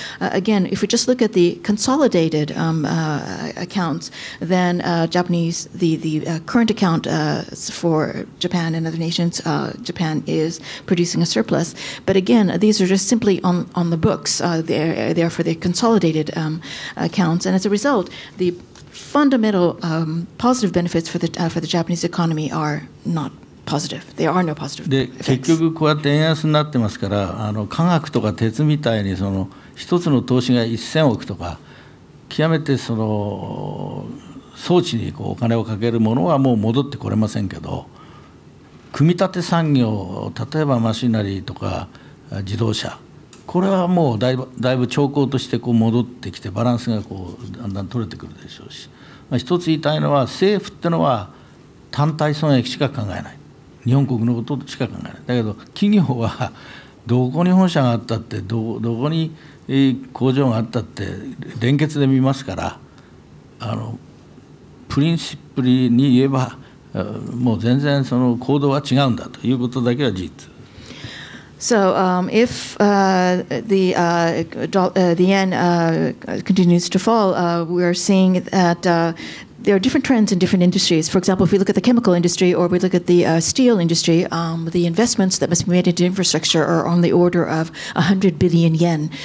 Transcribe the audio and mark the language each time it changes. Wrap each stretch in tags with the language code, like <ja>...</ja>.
<en>Again, if we just look at the consolidated accounts, then the current account for Japan and other nations, Japan is producing a surplus. But again, these are just simply on the books. They're for the consolidated accounts. And as a result, the fundamental positive benefits for the Japanese economy are not positive. There are no positive effects.</en> <ja>で結局こうやって円安になってますから、あの科学とか鉄みたいにその一つの投資が1000億とか極めてその装置にこうお金をかけるものはもう戻ってこれませんけど、組み立て産業、例えばマシナリーとか自動車、これはもうだいぶ兆候としてこう戻ってきてバランスがこうだんだん取れてくるでしょうし、まあ、一つ言いたいのは政府ってのは単体損益しか考えない、日本国のことしか考えない。だけど企業はどこに本社があったって、どこに工場があったって連結で見ますから、あのプリンシップルに言えばもう全然その行動は違うんだということだけは事実。</ja> <en>So if the yen continues to fall, we are seeing that there are different trends in different industries. For example, if we look at the chemical industry or we look at the steel industry, the investments that must be made into infrastructure are on the order of 100 billion yen.</en>